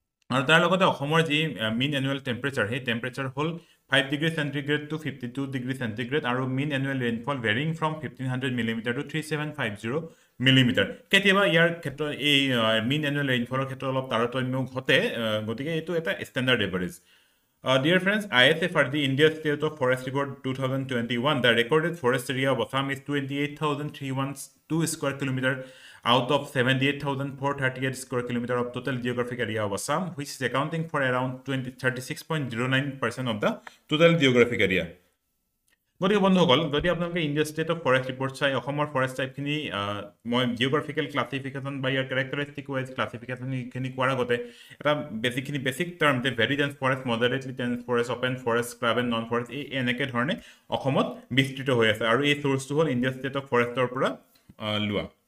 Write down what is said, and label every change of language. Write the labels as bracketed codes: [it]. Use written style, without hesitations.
[as] আৰু তাৰ লগতে অসমৰ যি মিন এনুৱেল টেম্পাৰেচাৰ, সেই টেম্পাৰেচাৰ হ'ল 5°C to 52°C, আৰু মিন annual rainfall ভেৰিং from 1500mm to 3750mm। কেতিয়াবা ইয়াৰ ক্ষেত্ৰত এই মিন এনুৱেল ৰেইনফলৰ ক্ষেত্ৰত অলপ তাৰতম্য ঘটে, গতিকে এইটো এটা standard average. [en] Dear friends, ISFR, the India State of Forest Report 2021, the recorded forest area of Assam is 28,312 square kilometers out of 78,438 square kilometers of total geographic area of Assam, which is accounting for around 36.09% of the total geographic area. [as] গতিকে বন্ধুসকল, যদি আপোনালোকে India state of forest report চাই অসমৰ forest টাইপখিনি, মই geographical classification বা ইয়াৰ characteristic wise ক্লাছিফিকেশ্যনখিনি কোৱাৰ আগতে এটা বেছিকখিনি বেছিক টাৰ্ম, যে very dance forest, moderately dance forest, open forest, scrub and non forest, এই এনেকৈ ধৰণে অসমত বিস্তৃত হৈ আছে, আৰু এই চ'ৰ্চটো হ'ল ইণ্ডিয়া ষ্টেট অফ ফৰেষ্টৰ পৰা লোৱা।